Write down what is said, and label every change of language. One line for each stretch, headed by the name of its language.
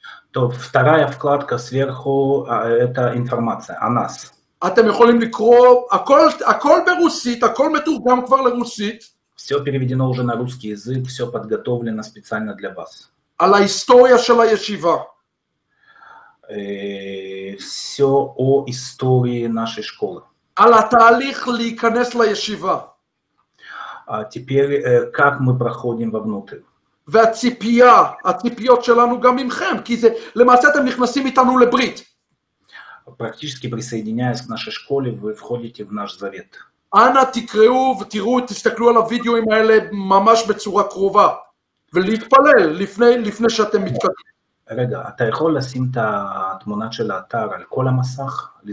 Russian: טוב, вторая вкладка сверху, это информация, анас.
Hebrew: אתם יכולים לקרוא, הכל ברוסית, הכל מתורגם כבר לרוסית.
Russian: Все переведено уже на русский язык, все подготовлено специально для вас.
Hebrew: על ההיסטוריה של הישיבה.
Russian: Все о истории нашей школы.
Hebrew: על התהליך להיכנס לישיבה.
Russian: Теперь, как мы проходим вовнутрь.
Hebrew: והציפייה, הציפיות שלנו גם ממכם, כי זה, למעשה אתם נכנסים איתנו לברית.
Russian: Практически присоединяясь к нашей школе, вы входите в наш завет.
Hebrew: אנא תקראו ותראו, תסתכלו על הווידאו האלה ממש בצורה קרובה. ולהתפלל לפני שאתם מתקדמים. רגע, אתה יכול לשים את התמונה של האתר על כל המסך?